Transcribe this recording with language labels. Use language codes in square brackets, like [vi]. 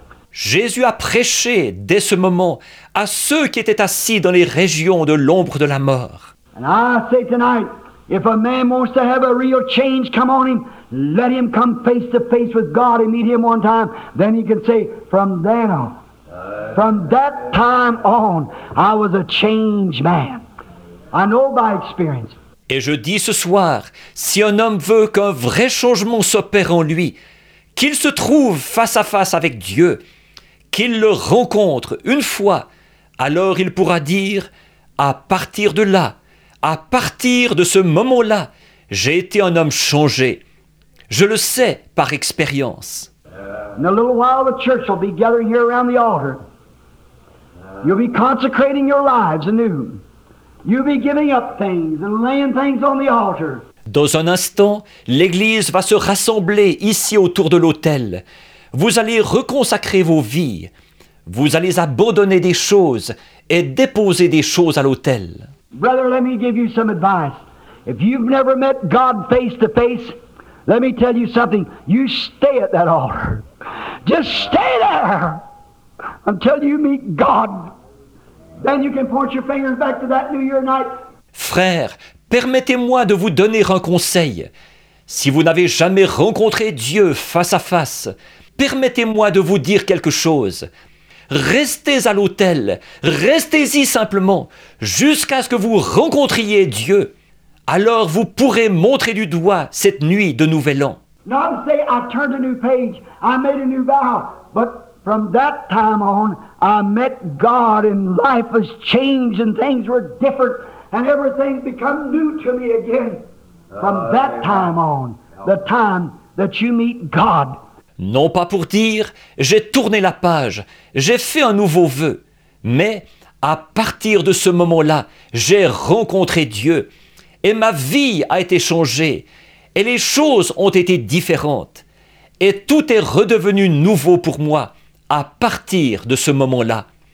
[fr] Jésus a prêché dès ce moment à ceux qui étaient assis dans les régions de l'ombre de la mort. [en] And I say tonight, if a man wants to have a real change come on him, let him come face to face with God and meet him one time. Then he can say, from then on, from that time on, I was a changed man. I know by experience. [fr] Et je dis ce soir, si un homme veut qu'un vrai changement s'opère en lui, qu'il se trouve face à face avec Dieu, qu'il le rencontre une fois, alors il pourra dire, à partir de là, à partir de ce moment-là, j'ai été un homme changé. Je le sais par expérience. [en] In a little while, the church will be gathering here around the altar. You'll be consecrating your lives anew. You'll be giving up things and laying things on the altar. [fr] Dans un instant, l'Église va se rassembler ici autour de l'autel. Vous allez reconsacrer vos vies. Vous allez abandonner des choses et déposer des choses à l'autel. [en] Brother, let me give you some advice. If you've never met God face to face, let me tell you something. You stay at that altar. Just stay there until you meet God. Then you can point your fingers back to that New Year night. [fr] Frère, permettez-moi de vous donner un conseil. Si vous n'avez jamais rencontré Dieu face à face, permettez-moi de vous dire quelque chose. Restez à l'autel, restez-y simplement, jusqu'à ce que vous rencontriez Dieu. Alors vous pourrez montrer du doigt cette nuit de Nouvel An. [en] Not say I turned a new page, I made a new vow, but from that time on, I met God and life has changed and things were different. And everything become new to me again. From that time on, the time that you meet God. [fr] Non pas pour dire, j'ai tourné la page, j'ai fait un nouveau vœu. Mais à partir de ce moment-là, j'ai rencontré Dieu. Et ma vie a été changée. Et les choses ont été différentes. Et tout est redevenu nouveau pour moi à partir de ce moment-là.